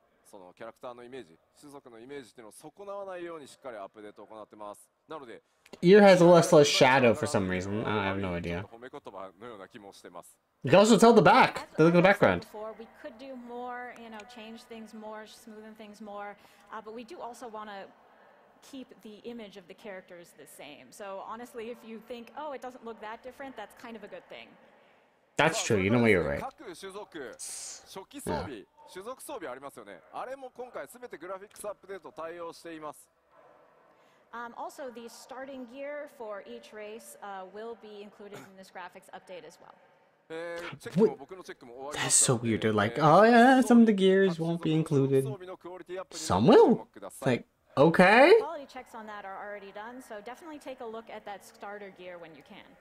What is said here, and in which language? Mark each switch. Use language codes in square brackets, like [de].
[ja] そのキャラクターのイメージ、種族のイメージっていうのを損なわないようにしっかりアップデートを行ってます。なので、 [en] Ear has less shadow for some reason. I have no idea. [ja] 褒め言葉のような気もしてます。 [en] You can also tell the back. They look at the background. We could do more, you know, change things more, smoothen things more, but we do also want to keep the image of the characters the same. So honestly, if you think, oh, it doesn't look that different, that's kind of a good thing. That's true. You know what you're right. [ja] 各種族、初期装備。種族装備ありますよね。あれも今回すべてグラフィックスアップデート対応しています。 [en] Also, the starting gear for each race, will be included in this graphics update as well. That's so weird. They're like, oh yeah, some of the gears won't be included. Some will. It's like, okay. Quality checks on that are already done, so definitely take a look at that starter gear when you can.